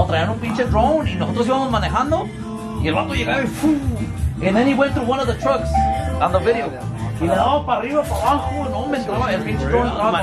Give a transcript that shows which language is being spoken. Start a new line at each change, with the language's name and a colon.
Spanish: No, traían un pinche drone y nosotros íbamos manejando y el vato llegaba y ¡fuu!
English: And then he went through one of the trucks on the video.
Spanish: Y le daba para arriba, para abajo, no me entraba el pinche drone.